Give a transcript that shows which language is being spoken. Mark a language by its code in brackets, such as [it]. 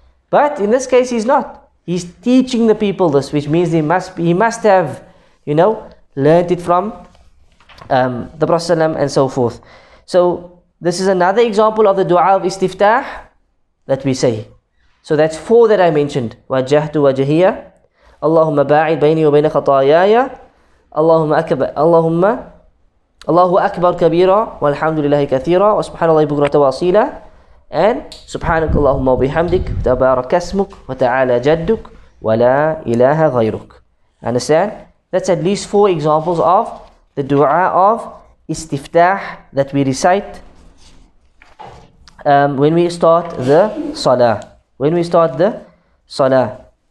[en] But in this case he's not. He's teaching the people this, which means he must have, you know, learnt it from the Prophet and so forth. So this is another example of the dua of istiftah that we say. So that's four that I mentioned. [ar] وَجَّهْتُ وَجَهِيَا. اللهم باعد بيني وبين خطاياي اللهم أكبر اللهم الله أكبر كبيرا والحمد لله كثيرا وسبحان الله بكرة واصيلا and سبحانك اللهم وبحمدك تبارك اسمك وتعالى جدك ولا إله غيرك. [en] Understand? That's at least four examples of the dua of istiftah that we recite when we start the salah. When we start the salah.